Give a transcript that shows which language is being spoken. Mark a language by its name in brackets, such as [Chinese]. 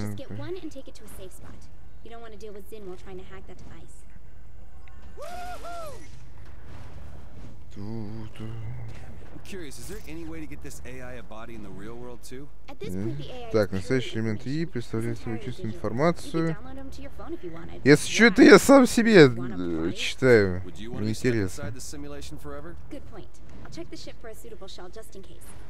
[English] Just get one and take it to a safe spot. You don't want to deal with Zin while trying to hack that device. Curious, is there any way to get this AI a body in the real world too? [Russian] Так, настоящий элемент И представляет собой чистую информацию. Если что, это я сам себе читаю. Мне интересно. [English] Good point. I'll check the ship for a suitable shell just in case.